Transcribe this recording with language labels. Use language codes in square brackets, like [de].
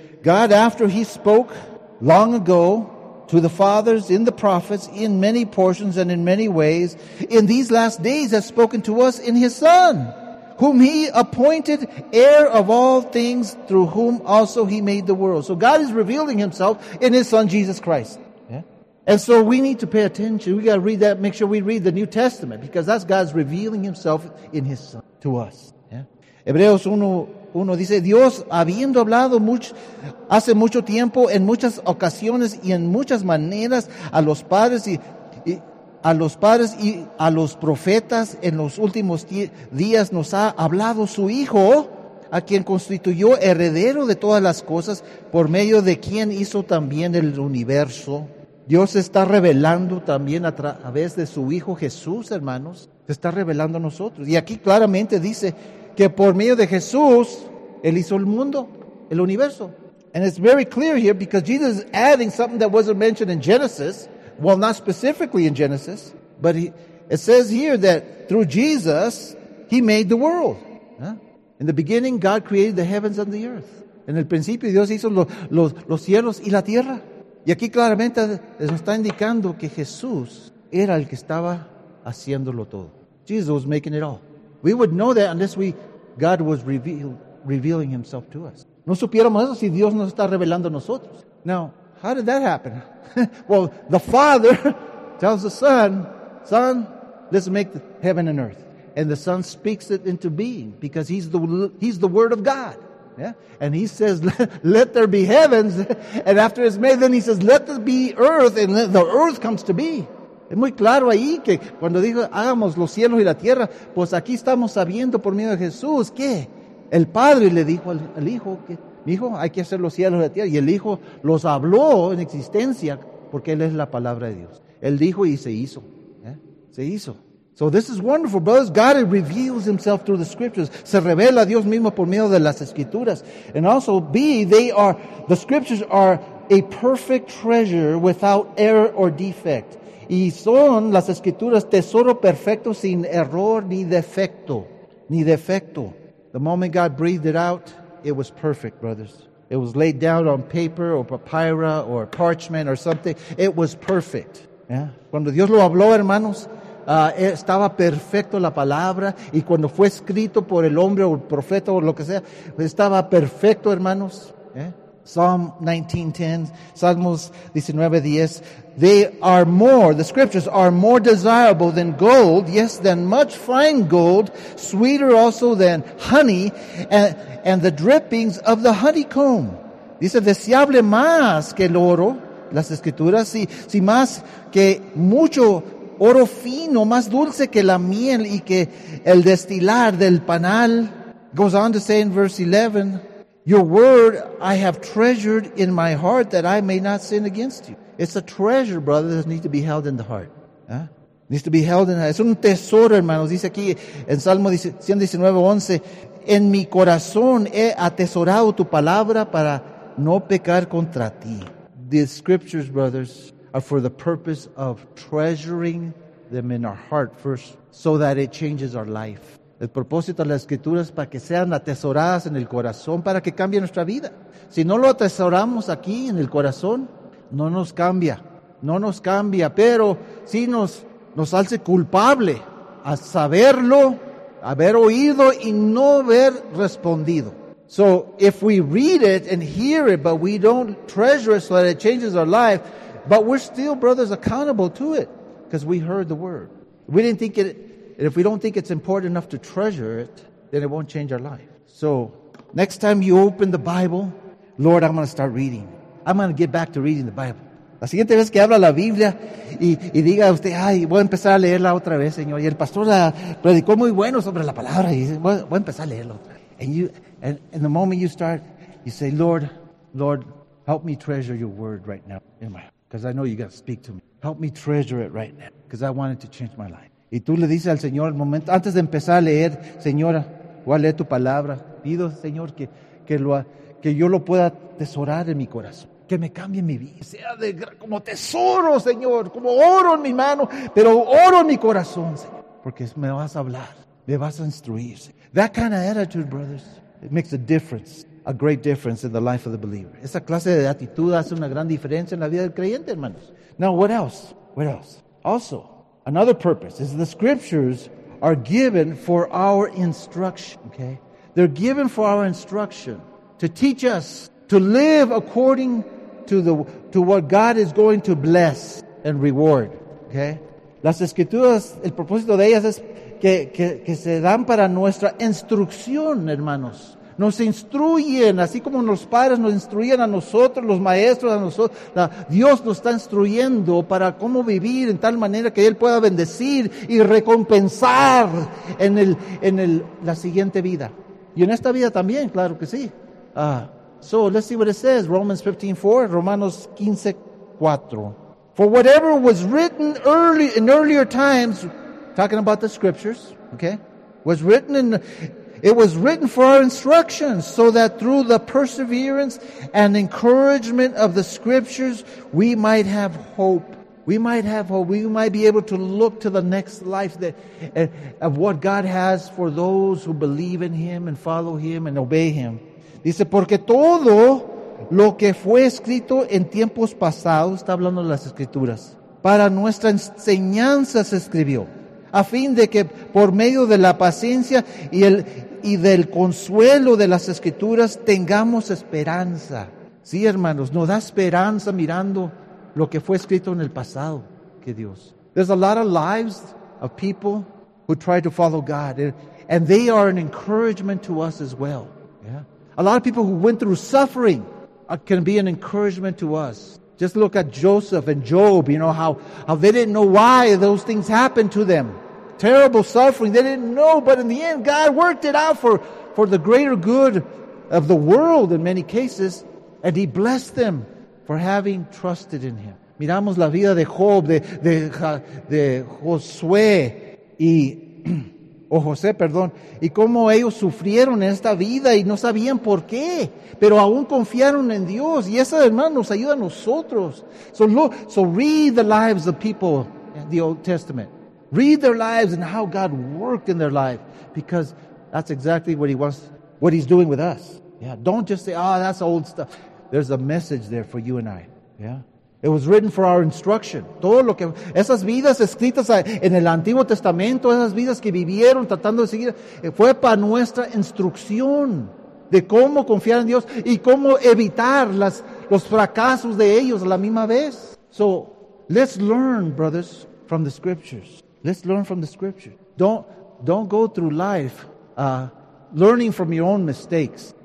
[en] God, after he spoke long ago to the fathers in the prophets in many portions and in many ways, in these last days has spoken to us in his Son, whom he appointed heir of all things, through whom also he made the world. So God is revealing himself in his Son, Jesus Christ. Yeah. And so we need to pay attention. We got to read that, make sure we read the New Testament, because that's God's revealing himself in his Son to us. Yeah. [es] Hebreos 1:1 dice, Dios, habiendo hablado hace mucho tiempo, en muchas ocasiones y en muchas maneras a los padres y a los profetas en los últimos días, nos ha hablado su Hijo, a quien constituyó heredero de todas las cosas, por medio de quien hizo también el universo. Dios está revelando también a través de su Hijo Jesús, hermanos. Se está revelando a nosotros. Y aquí claramente dice que por medio de Jesús, Él hizo el mundo, el universo. [en] And it's very clear here because Jesus is adding something that wasn't mentioned in Genesis. Well, not specifically in Genesis, but it says here that through Jesus, he made the world. Huh? In the beginning, God created the heavens and the earth. [es] En el principio, Dios hizo los cielos y la tierra. Y aquí claramente nos está indicando que Jesús era el que estaba haciéndolo todo. [en] Jesus was making it all. We would know that unless God was revealing himself to us. [es] No supiéramos eso si Dios nos está revelando a nosotros. [en] Now, how did that happen? Well, the Father tells the Son, Son, let's make the heaven and earth. And the Son speaks it into being because he's the Word of God. Yeah? And he says, let there be heavens. And after it's made, then he says, let there be earth. And the earth comes to be. [es] Es muy claro ahí que cuando dijo, hagamos los cielos y la tierra, pues aquí estamos sabiendo por medio de Jesús que el Padre le dijo al Hijo que, Hijo, hay que hacer los cielos y la tierra. Y el Hijo los habló en existencia porque Él es la palabra de Dios. Él dijo y se hizo. ¿Eh? Se hizo. [en] So this is wonderful, brothers. God reveals himself through the scriptures. [es] Se revela a Dios mismo por medio de las escrituras. [en] And also, B, the scriptures are a perfect treasure without error or defect. [es] Y son las escrituras tesoro perfecto sin error ni defecto. Ni defecto. [en] The moment God breathed it out, it was perfect, brothers. It was laid down on paper or papyrus or parchment or something. It was perfect. Yeah. [es] Cuando Dios lo habló, hermanos, estaba perfecto la palabra. Y cuando fue escrito por el hombre o el profeta o lo que sea, estaba perfecto, hermanos. [en] Yeah. Psalm 19:10, Salmos 19:10. They are more, the scriptures are more desirable than gold, yes, than much fine gold, sweeter also than honey, and the drippings of the honeycomb. [es] Dice, deseable más que el oro, las escrituras, si más que mucho oro fino, más dulce que la miel y que el destilar del panal. [en] Goes on to say in verse 11, your word I have treasured in my heart that I may not sin against you. It's a treasure, brother, that needs to be held in the heart. ¿Eh? Needs to be held in the heart. [es] Es un tesoro, hermanos. Dice aquí en Salmo 119:11, en mi corazón he atesorado tu palabra para no pecar contra ti. [en] The scriptures, brothers, are for the purpose of treasuring them in our heart first so that it changes our life. [es] El propósito de las escrituras para que sean atesoradas en el corazón, para que cambie nuestra vida. Si no lo atesoramos aquí en el corazón, no nos cambia, no nos cambia, pero sí nos hace culpable a saberlo, haber oído y no haber respondido. [en] So if we read it and hear it, but we don't treasure it so that it changes our life, but we're still, brothers, accountable to it because we heard the word. We didn't think it, and if we don't think it's important enough to treasure it, then it won't change our life. So next time you open the Bible, Lord, I'm going to start reading. I'm going to get back to reading the Bible. [es] La siguiente vez que abra la Biblia y diga usted, ay, voy a empezar a leerla otra vez, Señor. Y el pastor la predicó muy bueno sobre la palabra. Y dice, voy a empezar a leerla otra vez. [en] And the moment you start, you say, Lord, Help me treasure your word right now in my heart, because I know you got to speak to me. Help me treasure it right now, because I want it to change my life. [es] Y tú le dices al Señor, momento, antes de empezar a leer, Señora, voy a leer tu palabra. Pido, Señor, que yo lo pueda atesorar en mi corazón. Que me cambie mi vida. Sea de, como tesoro, Señor, como oro en mi mano, pero oro en mi corazón, Señor. Porque me vas a hablar, me vas a instruir. [en] That kind of attitude, brothers, it makes a difference. A great difference in the life of the believer. [es] Esa clase de actitud hace una gran diferencia en la vida del creyente, hermanos. [en] Now, what else? What else? Also, another purpose is the scriptures are given for our instruction, okay? They're given for our instruction to teach us to live according to what God is going to bless and reward, okay? [es] Las escrituras, el propósito de ellas es que se dan para nuestra instrucción, hermanos. Nos instruyen, así como los padres nos instruían a nosotros, los maestros a nosotros. Dios nos está instruyendo para cómo vivir en tal manera que Él pueda bendecir y recompensar en la siguiente vida. Y en esta vida también, claro que sí. [en] So let's see what it says, Romans 15:4, Romanos 15:4. For whatever was written in earlier times, talking about the scriptures, okay, was written for our instruction, so that through the perseverance and encouragement of the scriptures, we might have hope. We might have hope. We might be able to look to the next life of what God has for those who believe in Him and follow Him and obey Him. [es] Dice, porque todo lo que fue escrito en tiempos pasados, está hablando de las escrituras, para nuestra enseñanza se escribió, a fin de que por medio de la paciencia y del consuelo de las escrituras tengamos esperanza. Sí, hermanos, nos da esperanza mirando lo que fue escrito en el pasado, que Dios. [en] There's a lot of lives of people who try to follow God, and they are an encouragement to us as well. Yeah. A lot of people who went through suffering can be an encouragement to us. Just look at Joseph and Job, you know, how they didn't know why those things happened to them. Terrible suffering, they didn't know, but in the end, God worked it out for the greater good of the world in many cases, and He blessed them for having trusted in Him. [es] Miramos la vida de Job, de Josué y... O José, perdón, y cómo ellos sufrieron en esta vida y no sabían por qué, pero aún confiaron en Dios. Y eso, hermano, nos ayuda a nosotros. [en] So, read the lives of people in the Old Testament. Read their lives and how God worked in their life, because that's exactly what He's doing with us. Yeah. Don't just say, oh, that's old stuff. There's a message there for you and I. Yeah. It was written for our instruction. [es] Todo lo que esas vidas escritas en el Antiguo Testamento, esas vidas que vivieron tratando de seguir, fue para nuestra instrucción de cómo confiar en Dios y cómo evitar los fracasos de ellos a la misma vez. [en] So, let's learn, brothers, from the scriptures. Let's learn from the scriptures. Don't go through life learning from your own mistakes.